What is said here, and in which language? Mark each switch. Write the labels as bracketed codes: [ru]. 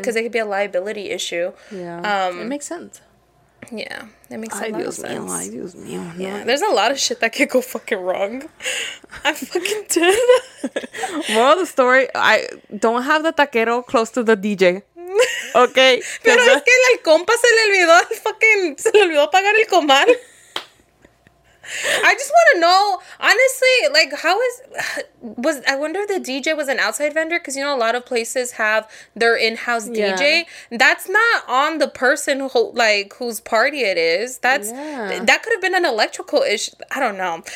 [en] Because it could be a liability issue. Yeah, it makes sense. Yeah, that makes a lot of sense. Yeah, there's a lot of shit that could go fucking wrong. I fucking did. Moral of the story, I don't have the taquero close to the DJ. Okay. [es] Pero es que el compa se le olvidó el fucking, se le olvidó pagar el comal. [en] I just want to know, honestly, like, how is, was, I wonder if the DJ was an outside vendor, because, you know, a lot of places have their in-house DJ. Yeah. That's not on the person, who, like, whose party it is. That's, yeah. That could have been an electrical issue. I don't know.